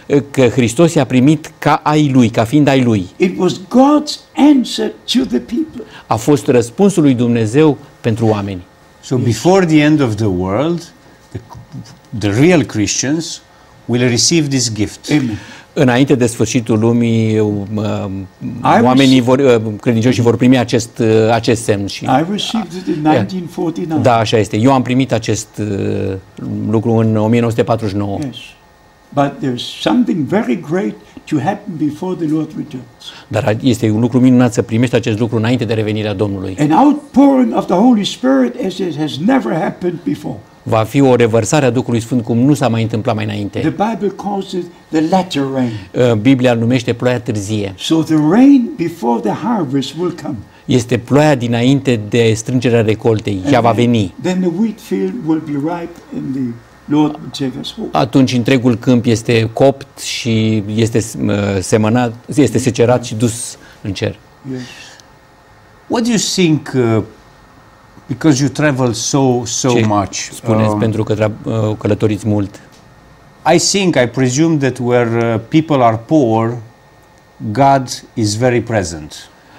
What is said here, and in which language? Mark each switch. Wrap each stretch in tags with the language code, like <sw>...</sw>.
<ro>Că Hristos i-a primit ca ai lui, ca fiind ai lui.</ro> <en>It was God's answer to the people.</en> <ro>A fost răspunsul lui Dumnezeu pentru oameni.</ro> <en>So before the end of the world, the real Christians will receive this gift.</en> <ro>Înainte de sfârșitul lumii, oamenii vor credincioșii vor primi acest semn și</ro> <en>I received it in 1949.</en> <ro>Da, așa este. Eu am primit acest lucru în 1949.</ro> <en>Yes. But there's something very great to happen before the Lord returns.</en> <ro>Dar este un lucru minunat să primești acest lucru înainte de revenirea Domnului.</ro> <en>An outpouring of the Holy Spirit as it has never happened before.</en> <ro>Va fi o revărsare a Duhului Sfânt cum nu s-a mai întâmplat mai înainte.</ro> <en>The Bible calls it the latter rain.</en> <ro>Biblia numește ploaia târzie.</ro> <en>So the rain before the harvest will come.</en> <ro>Este ploaia dinainte de strângerea recoltei. Ea va veni.</ro> <en>Then the wheat field will be ripe in the</en> <ro>atunci întregul câmp este copt și este semănat, este secerat și dus în cer.</ro> <en>What do you think because you travel so much?</en> <ro>Spuneți pentru că călătoriți mult.</ro> <en>I presume that where people are poor, God is very present.</en>